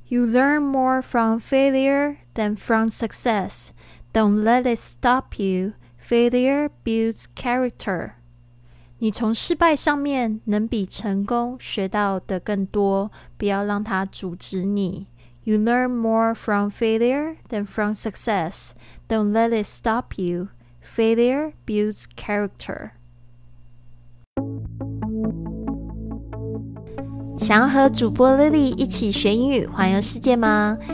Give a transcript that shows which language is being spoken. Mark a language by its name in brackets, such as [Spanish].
[English] You learn more from failure than from success. Don't let it stop you. Failure builds character. [Chinese] 你从失败上面能比成功学到的更多，不要让它阻止你。 [English] You learn more from failure than from success. Don't let it stop you. Failure builds character. [Chinese] 想要和主播 Lily 一起学英语环游世界吗？